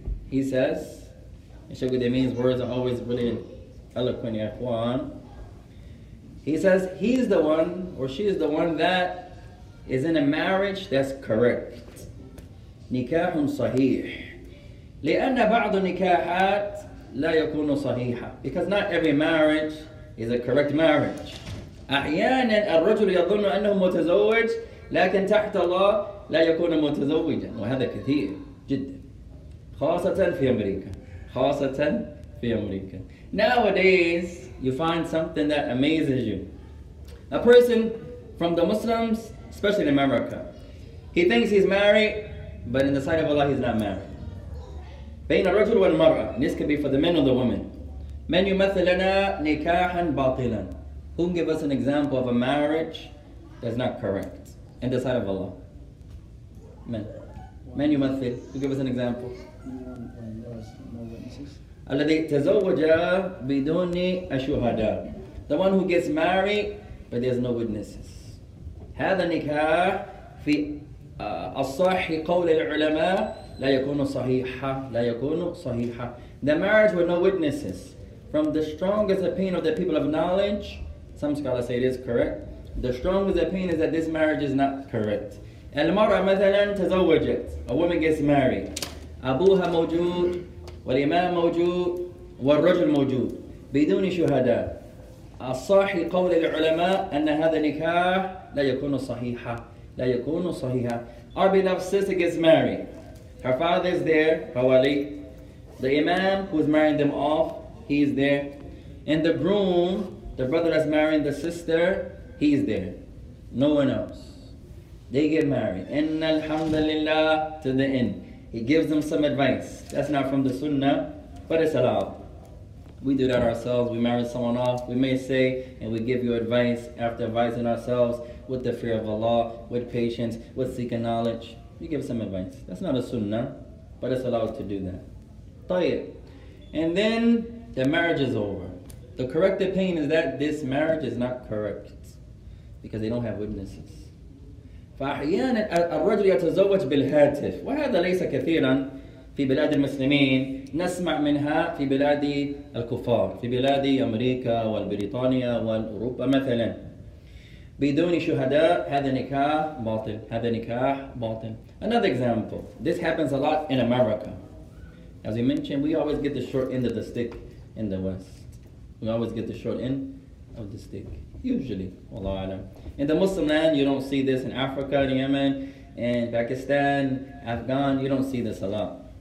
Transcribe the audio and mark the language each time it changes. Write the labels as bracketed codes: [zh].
[en] He says, Shaykh Qudsi means words are always really eloquent, yeah. He says, he's the one or she is the one that is in a marriage that's correct. [ar] نكاح صحيح. لأن بعض النكاحات لا يكون صحيحا. [en] Because not every marriage is a correct marriage. [ar] أحيانا الرجل يظن أنه متزوج لكن تحت الله لا يكون متزوجا. وهذا كثير جدا. خاصة في أمريكا. خاصة في أمريكا. [en] Nowadays, you find something that amazes you. A person from the Muslims, especially in America, he thinks he's married, but in the sight of Allah, he's not married. [ar] بين الرجل والمرأة. [en] This can be for the men or the women. [ar] من يمثل لنا نكاحا باطلا. [en] Who can give us an example of a marriage that's not correct in the sight of Allah? Men. [ar] من يمثل. [en] Who give us an example? [ar] الذي تزوج بدون الشهداء. [en] The one who gets married but there's no witnesses. [ar] هذا النكاح في الصحيح قول العلماء لا يكون صحيحا. لا يكون صحيحا. [en] The marriage with no witnesses. From the strongest opinion of the people of knowledge, some scholars say it is correct. The strongest opinion is that this marriage is not correct. [ar] المرأة مثلا تزوجت. [en] A woman gets married. [ar] أبوها موجود والإمام موجود والرجل موجود بدون شهداء. الصحيح قول العلماء أن هذا النكاح لا يكون صحيحا. لا يكون صحيحا. [en] Our beloved sister gets married. Her father is there, Hawali. The Imam who's marrying them off, he is there. And the groom, the brother that's marrying the sister, he is there. No one else. They get married. Inna alhamdulillah to the end. He gives them some advice. That's not from the sunnah, but it's allowed. We do that ourselves. We marry someone off. We may say, and we give you advice after advising ourselves with the fear of Allah, with patience, with seeking knowledge. You give some advice. That's not a sunnah, but it's allowed to do that. [ar] طيب. [en] And then the marriage is over. The correct opinion is that this marriage is not correct because they don't have witnesses. [ar] فأحيانا الرجل يتزوج بالهاتف. وهذا ليس كثيرا في بلاد المسلمين نسمع منها في بلاد الكفار في بلاد أمريكا والبريطانيا والأوروبا مثلا بدون شهداء. هذا نكاح باطل. هذا نكاح باطل. [en] Another example. This happens a lot in America. As we mentioned, we always get the short end of the stick in the West. We always get the short end of the stick. Usually, Allah Alam. In the Muslim land, you don't see this. In Africa, in Yemen, in Pakistan, Afghan, you don't see this a lot.